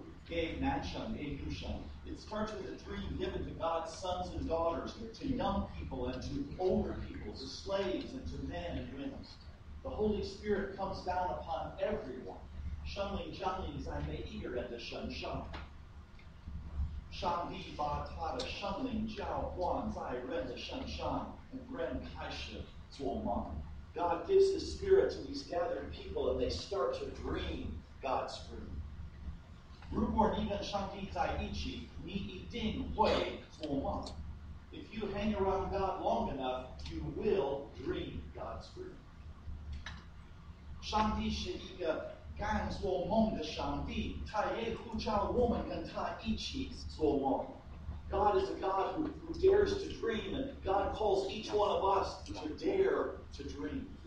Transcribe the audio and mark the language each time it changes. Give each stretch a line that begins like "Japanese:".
English: It starts with a dream given to God's sons and daughters, to young people and to older people, to slaves and to men and women. The Holy Spirit comes down upon everyone.
Chinese: 上帝降临在每一个人的身上。上帝把他的圣灵浇灌在人的身上，让人开始做梦。
English: God gives His Spirit to these gathered people, and they start to dream God's dream.
Chinese: 如果你跟上帝在一起，你一定会做梦。
English: If you hang around God long enough, you will dream God's dream.
Chinese: 上帝是一个敢做梦的上帝，他也呼召我们跟他一起做梦。
English: God is a God who dares to dream, and God calls each one of us to dare to dream.